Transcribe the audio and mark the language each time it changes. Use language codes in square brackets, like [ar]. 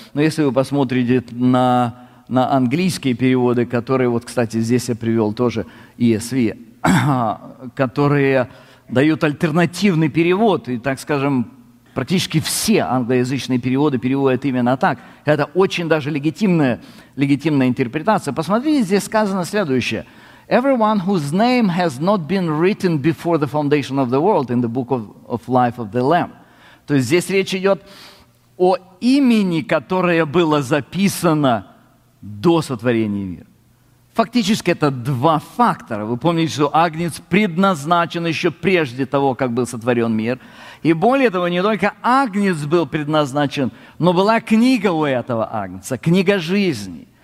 [ru] Но если вы посмотрите на английские переводы, которые, вот, кстати, здесь я привел тоже ESV, которые дают альтернативный перевод, и, так скажем, практически все англоязычные переводы переводят именно так. Это очень даже легитимная интерпретация. Посмотрите, здесь сказано следующее. [en] «Everyone whose name has not been written before the foundation of the world in the book of life of the Lamb». [ru] То есть здесь речь идет о имени, которое было записано до сотворения мира. Фактически это два фактора. Вы помните, что Агнец предназначен еще прежде того, как был сотворен мир. И более того, не только Агнец был предназначен, но была книга у этого Агнца, книга жизни.